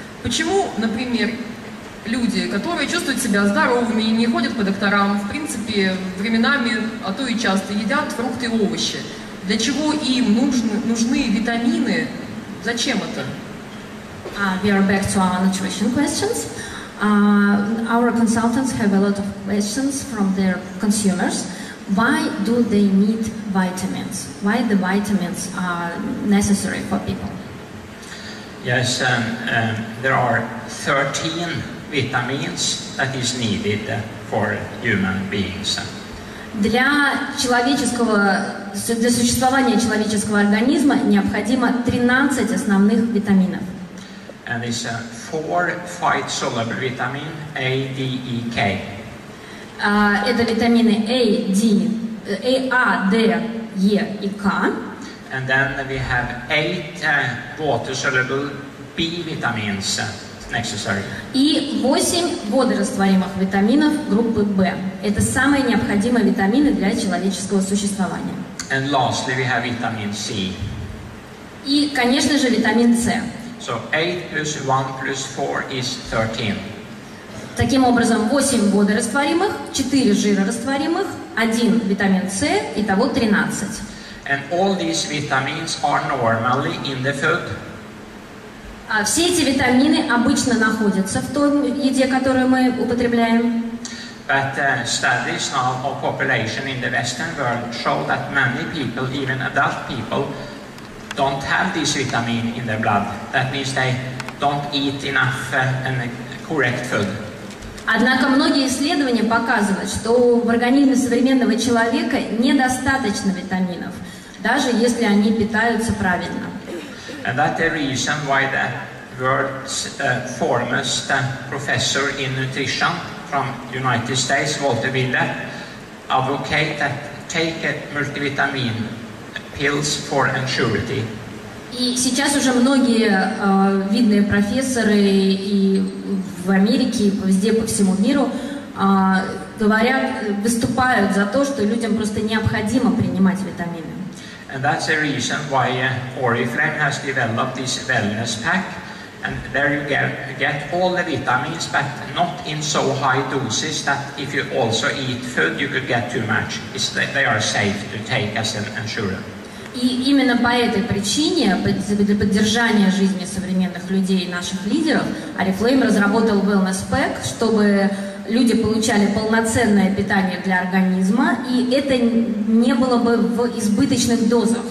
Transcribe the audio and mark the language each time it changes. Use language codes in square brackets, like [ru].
[ru] Почему, например, люди, которые чувствуют себя здоровыми и не ходят по докторам, в принципе, временами, а то и часто, едят фрукты и овощи? Для чего им нужны витамины? Зачем это? [en] We are back to our nutrition questions. Our consultants have a lot of questions from their consumers. Why do they need vitamins? Why the vitamins are necessary for people? Yes, there are 13 vitamins that is needed for human beings. [ru] Для человеческого, для существования человеческого организма необходимо 13 основных витаминов. [en] And it's four fight soluble vitamin A, D, E, K. [ru] Это витамины A, D, A, A, D, E и K. [en] And then we have eight water soluble B vitamins necessary. [ru] И 8 водорастворимых витаминов группы B. Это самые необходимые витамины для человеческого существования. [en] And lastly we have vitamin C. [ru] И, конечно же, витамин C. [en] So 8 plus 1 plus 4 is 13. [ru] Таким образом, 8 водорастворимых, 4 жирорастворимых, 1 витамин С, итого 13. [en] And all these vitamins are normally in the food. [ru] Все эти витамины обычно находятся в той еде, которую мы употребляем. [en] But studies now of population in the Western world show that many people, even adult people, don't have this vitamin in their blood. That means they don't eat enough and correct food. [ru] Однако многие исследования показывают, что в организме современного человека недостаточно витаминов, даже если они питаются правильно. [en] And that's the reason why the world's foremost professor in nutrition from United States, Walter Miller, advocate that take a multivitamin pills for insurity. [ru] И сейчас уже многие видные профессоры и в Америке, и везде по всему миру говорят, выступают за то, что людям просто необходимо принимать витамины. [en] And that's the reason why Oriflame has developed this wellness pack. And there you get all the vitamins, but not in so high doses that if you also eat food, you could get too much. They are safe to take as an insurer. [ru] И именно по этой причине, для поддержания жизни современных людей и наших лидеров, Oriflame разработал Wellness Pack, чтобы люди получали полноценное питание для организма, и это не было бы в избыточных дозах.